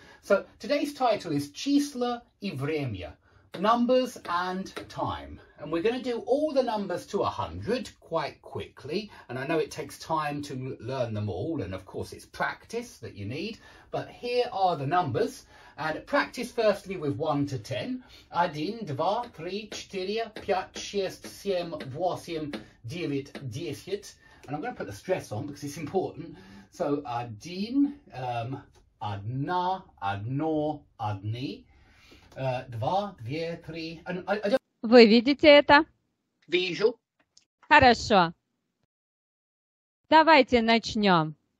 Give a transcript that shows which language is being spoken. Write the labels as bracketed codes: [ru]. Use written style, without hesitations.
[en] So today's title is [ru] Chisla i Vremya, [en] Numbers and Time. And we're going to do all the numbers to 100 quite quickly. And I know it takes time to learn them all. And of course, it's practice that you need. But here are the numbers. And practice firstly with 1 to 10. [ru] Один, два, три, четыре, пять, шесть, семь, восемь, девять, десять. [en] And I'm going to put the stress on because it's important. [ru] So один, одна, одно, одни, два, две, три. Вы видите это? Вижу. Хорошо. Давайте начнем.